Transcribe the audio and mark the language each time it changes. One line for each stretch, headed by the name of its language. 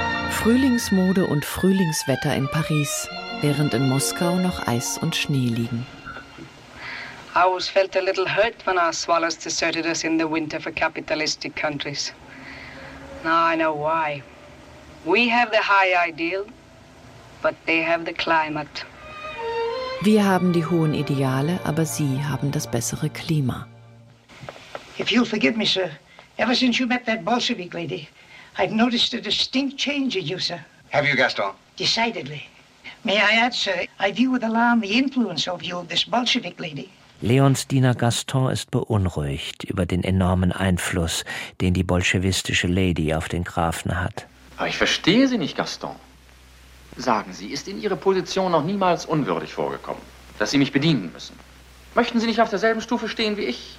German: Frühlingsmode und Frühlingswetter in Paris, während in Moskau noch Eis und Schnee liegen.
English: I always felt a little hurt when our swallows deserted us in the winter for capitalistic countries. Now I know why. We have the high ideal, but they have the climate.
German: Wir haben die hohen Ideale, aber sie haben das bessere Klima.
English: If you'll forgive me, sir, ever since you met that Bolshevik lady, I've noticed a distinct change in you, sir. Have you, Gaston? Decidedly. May I add, sir, I view with alarm the influence of you, this Bolshevik lady.
German: Leons Diener Gaston ist beunruhigt über den enormen Einfluss, den die bolschewistische Lady auf den Grafen hat. Aber ich verstehe Sie nicht, Gaston. Sagen Sie, ist Ihnen Ihre Position noch niemals unwürdig vorgekommen, dass Sie mich bedienen müssen? Möchten Sie nicht auf derselben Stufe stehen wie ich?